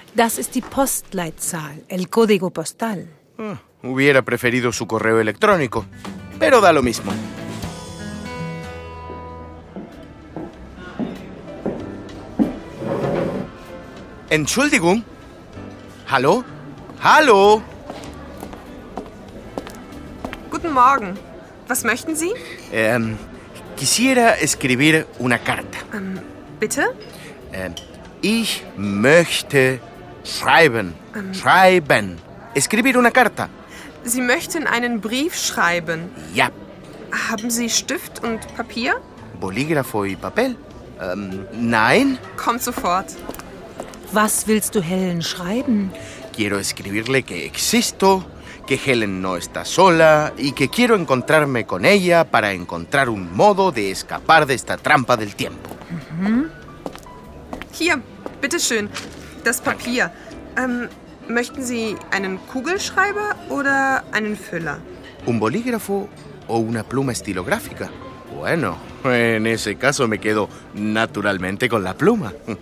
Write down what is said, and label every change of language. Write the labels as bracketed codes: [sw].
[de] Das ist die Postleitzahl, [es] el código postal. Hubiera preferido su correo electrónico, pero da lo mismo. [de] Entschuldigung. ¿Hallo? ¿Hallo? Guten Morgen. Was möchten Sie? [es] Quisiera escribir una carta. [de] Bitte? Ich möchte schreiben. Schreiben. [es] Escribir una carta. [de] Sie möchten einen Brief schreiben? Ja. Haben Sie Stift und Papier? [es] Bolígrafo y papel? Nein. [de] Kommt sofort. Was willst du Helen schreiben? [es] Quiero escribirle que existo, que Helen no está sola y que quiero encontrarme con ella para encontrar un modo de escapar de esta trampa del tiempo. [de] Hier, bitte schön, das Papier. Möchten Sie einen Kugelschreiber oder einen Füller? [es] ¿Un bolígrafo o una pluma estilográfica? Bueno, en ese caso me quedo naturalmente con la pluma.